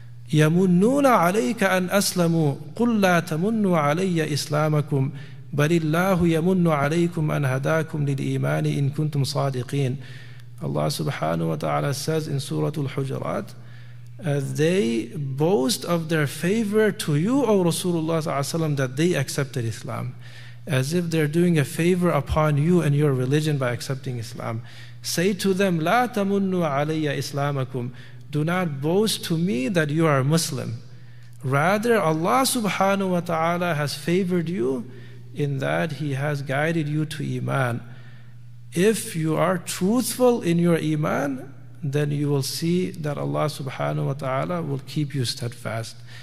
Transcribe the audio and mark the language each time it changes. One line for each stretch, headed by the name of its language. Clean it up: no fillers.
Arabic: يَمُنُّونَ عَلَيْكَ أَنْ أَسْلَمُوا قُلْ لَا تَمُنُّوا عَلَيَّ إِسْلَامَكُمْ بَلِ اللَّهُ يَمُنُّ عَلَيْكُمْ أَنْ هَدَاكُمْ لِلْإِيمَانِ إِنْ كُنْتُمْ صَادِقِينَ.
English: Allah subhanahu wa ta'ala says in Surah Al-Hujurat, they boast of their favor to you, O Rasulullah s.a.w., that they accepted Islam. As if they're doing a favor upon you and your religion by accepting Islam. Say to them,
Arabic: لا تمنوا علي إسلامكم.
English: Do not boast to me that you are Muslim. Rather, Allah subhanahu wa ta'ala has favored you in that He has guided you to Iman. If you are truthful in your Iman, then you will see that Allah subhanahu wa ta'ala will keep you steadfast.